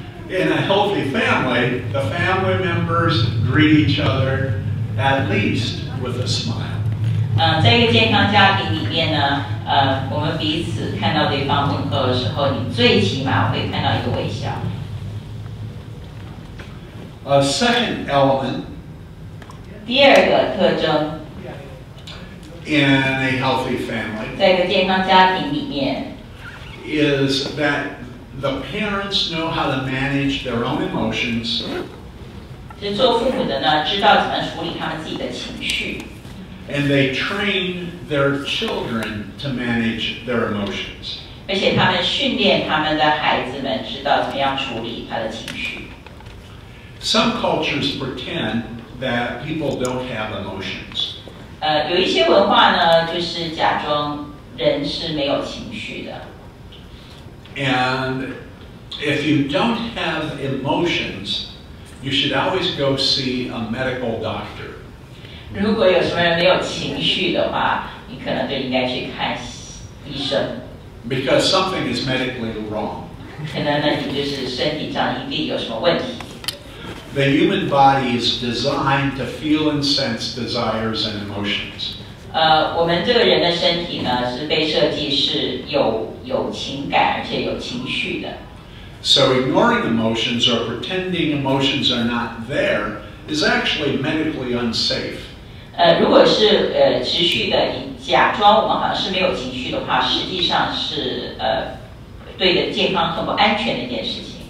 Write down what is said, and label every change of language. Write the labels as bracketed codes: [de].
[en] In a healthy family, the family members greet each other at least with a smile. [zh] 在一个健康家庭里面呢，我们彼此看到对方问候的时候，你最起码会看到一个微笑。 [en] A second element. [zh] 第二个特征。 [en] In a healthy family. [zh] 在一个健康家庭里面。 [en] Is that the parents know how to manage their own emotions. [zh] 就做父母的呢，知道怎么处理他们自己的情绪。 [en] And they train their children to manage their emotions. [zh] 而且他们训练他们的孩子们知道怎么样处理他的情绪。 [en] Some cultures pretend that people don't have emotions. [zh] 有一些文化呢，就是假装人是没有情绪的。 [en] And if you don't have emotions, you should always go see a medical doctor. [zh] 如果有什么人没有情绪的话，你可能就应该去看医生。 [en] Because something is medically wrong. [zh] 可能呢，你就是身体上一定有什么问题。 [en] The human body is designed to feel and sense desires and emotions. [zh] 我们这个人的身体呢，是被设计是有情感而且有情绪的。 [en] So ignoring emotions or pretending emotions are not there is actually medically unsafe. [zh] 如果是持续的假装我们好像是没有情绪的话，实际上是对的健康和不安全的一件事情。